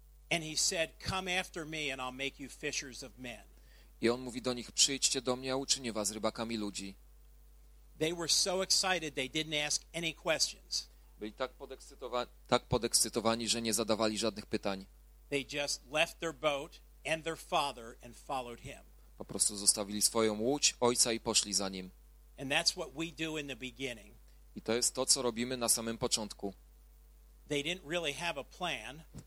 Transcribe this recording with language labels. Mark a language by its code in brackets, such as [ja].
[en] And he said, "Come after me, and I'll make you fishers of men." [pl] I on mówi do nich: "Przyjdźcie do mnie, a uczynię was rybakami ludzi." [en] They were so excited they didn't ask any questions. [pl] Byli tak podekscytowani, że nie zadawali żadnych pytań. [en] They just left their boat and their father and followed him. [pl] Po prostu zostawili swoją łódź, ojca i poszli za nim. [en] And that's what we do in the beginning. [pl] I to jest to, co robimy na samym początku. [en] They didn't really have a plan.